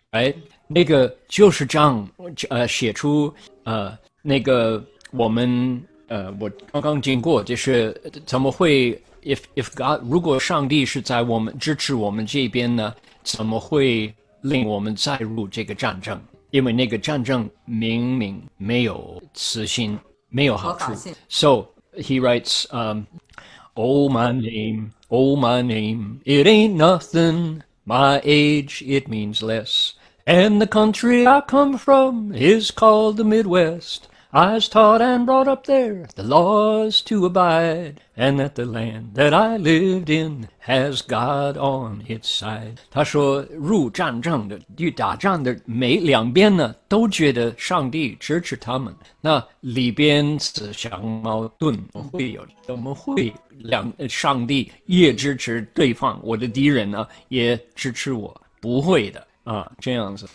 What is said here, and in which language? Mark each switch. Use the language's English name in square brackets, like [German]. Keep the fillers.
[Chinese] 哎，那个就是这样呃写出呃那个我们呃我刚刚经过，就是怎么会 [English] If If God [Chinese] 如果上帝是在我们支持我们这边呢，怎么会？令我们再入这个战争，因为那个战争明明没有私心，没有好处。 [English] So he writes, um, "Oh my name, oh my name, it ain't nothing. My age, it means less. And the country I come from is called the Midwest." I was taught and brought up there the laws to abide, and that the land that I lived in has God on its side. [Chinese] 他说，入战争的、与打仗的，每两边呢都觉得上帝支持他们，那里边自相矛盾会有？怎么会两上帝也支持对方？我的敌人呢也支持我？不会的啊，这样子。